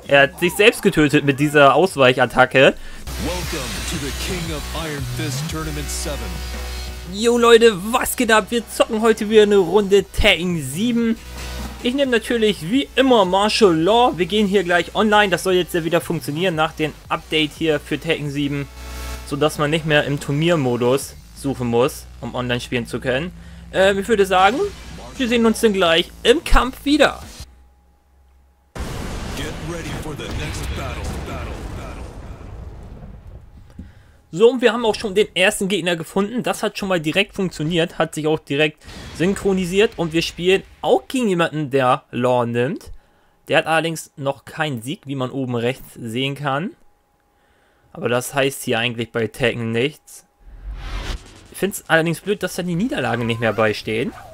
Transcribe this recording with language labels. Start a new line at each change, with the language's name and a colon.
German: Er hat sich selbst getötet mit dieser Ausweichattacke.
English: Welcome to the King of Iron Fist Tournament 7.
German: Yo Leute, was geht ab? Wir zocken heute wieder eine Runde Tekken 7. Ich nehme natürlich wie immer Martial Law. Wir gehen hier gleich online. Das soll jetzt ja wieder funktionieren nach dem Update hier für Tekken 7. Sodass man nicht mehr im Turniermodus suchen muss, um online spielen zu können. Ich würde sagen, wir sehen uns dann gleich im Kampf wieder.
English: Get ready for the next battle.
German: So, und wir haben auch schon den ersten Gegner gefunden. Das hat schon mal direkt funktioniert, hat sich auch direkt synchronisiert. Und wir spielen auch gegen jemanden, der Law nimmt. Der hat allerdings noch keinen Sieg, wie man oben rechts sehen kann. Aber das heißt hier eigentlich bei Tekken nichts. Ich finde es allerdings blöd, dass da die Niederlagen nicht mehr beistehen.